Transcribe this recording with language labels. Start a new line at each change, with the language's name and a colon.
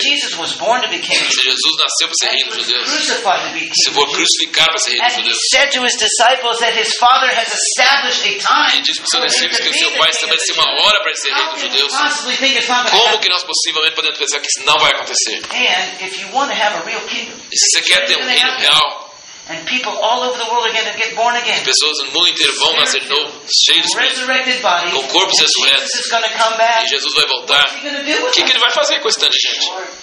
Portuguese: Se Jesus nasceu para ser rei dos judeus, se for crucificado para ser rei dos judeus, e disse para os seus discípulos que o seu pai estabeleceu uma hora para ser rei dos judeus, como que nós possivelmente podemos pensar que isso não vai acontecer? E se você quer ter um reino real,
English: and people all over the world are going to get born again.
Portuguese: Pessoas no mundo inteiro vão nascer novo, cheio de espírito, com corpos ressurretos.
English: Jesus is going to come back.
Portuguese: E Jesus vai voltar. O que ele vai fazer com esse tanto de gente?